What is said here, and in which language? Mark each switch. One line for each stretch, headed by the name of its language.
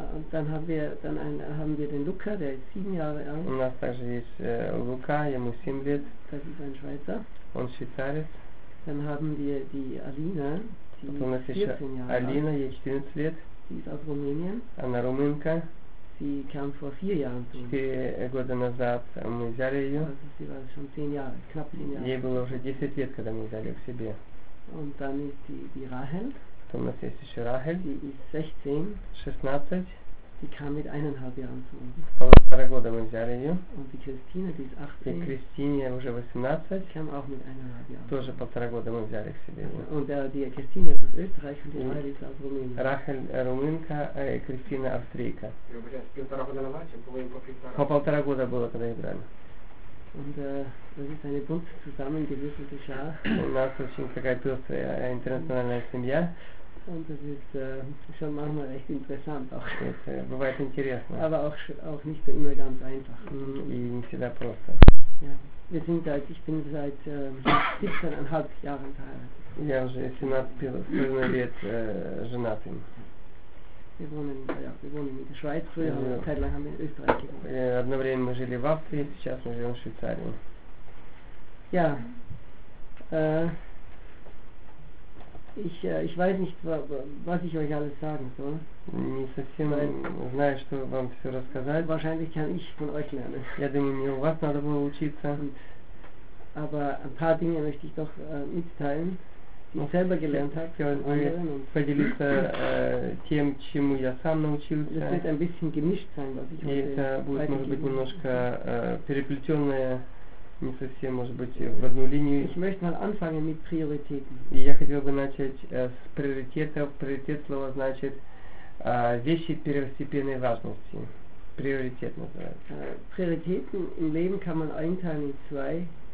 German: Dann haben wir den Luca, der ist 7 Jahre alt.
Russian: У нас также есть Лука, ему 7 лет.
German: Das ist ein Schweizer.
Russian: Он швейцарец.
German: Dann haben wir die Alina, die ist 14 Jahre alt.
Russian: Alina, ей 14 лет.
German: Sie ist aus Rumänien.
Russian: Она румынка.
German: Sie kam vor 4 Jahren zu uns.
Russian: 4 года назад мы взяли ее.
German: Also sie war schon 10 Jahre, knapp 10 Jahre.
Russian: Ей было уже 10 лет, когда мы взяли к себе.
German: Und dann ist die Rahel.
Russian: Потом у нас есть еще Рахель.
German: Sie ist 16.
Russian: 16.
German: Sie kam mit 1,5 Jahren zu uns.
Russian: Полтора года мы взяли ее.
German: Und die Christine, die ist 18.
Russian: И Кристине уже 18.
German: Kam auch mit 1,5 Jahren.
Russian: Тоже полтора года мы взяли к себе ее.
German: Und die Christine ist aus Österreich und die Rahel ist aus Rumänien.
Russian: Рахель румынка, Кристина австрийка. По полтора года было, когда играли.
German: Und das ist eine bunt zusammengewürfelte Schar.
Russian: У нас очень такая пестрая интернациональная семья.
German: Und das ist schon manchmal echt interessant auch.
Russian: Бывает интересно.
German: Aber auch nicht immer ganz einfach.
Russian: И не всегда просто.
German: Ja, ich bin seit 17,5 Jahren verheiratet.
Russian: Я уже 17,5 лет женатым.
German: Wir wohnen in der Schweiz, früher haben wir eine Zeit lang haben wir in Österreich gewohnt.
Russian: Одно время мы жили в Австрии, сейчас мы живем в Швейцарии.
German: Ja, ich weiß nicht, was ich euch alles sagen soll.
Russian: Не совсем знаю, что вам все рассказать.
German: Wahrscheinlich kann ich von euch lernen.
Russian: Я думаю, мне у вас надо было учиться.
German: Aber ein paar Dinge möchte ich doch mitteilen. Die ich selber gelernt habe,
Russian: поделиться тем, чему я сам научился.
German: Das wird ein bisschen gemischt sein, was ich heute
Russian: это будет, может быть, немножко переплетенное, не совсем, может быть, в одну линию.
German: Ich möchte mal anfangen mit Prioritäten.
Russian: И я хотел бы начать с приоритетов. Приоритет слова значит вещи первостепенной важности. Приоритет называется.
German: Приоритеты im Leben kann man einteilen in zwei.